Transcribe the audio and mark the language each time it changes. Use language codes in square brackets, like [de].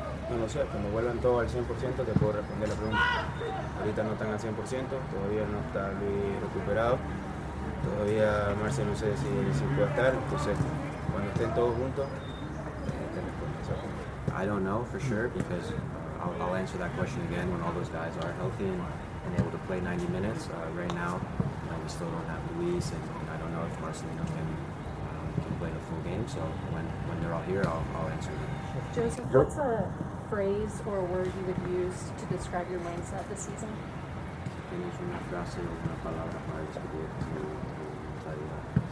[es] No lo sé, cuando vuelvan todos al 100% te puedo responder la pregunta. Ahorita no están al 100%, todavía no está Luis recuperado, todavía Marce no sé si puede estar, entonces cuando estén todos juntos te respondo esa pregunta. [en] I don't know for sure, because I'll answer that question again when all those guys are healthy and able to play 90 minutes. Right now we still don't have Luis, and I don't know if Marcelino can play the full game. So when they're all here, I'll answer them. Joseph, what's a phrase or a word you would use to describe your mindset this season? [es] Tienes una frase o una palabra para describir tu mentalidad.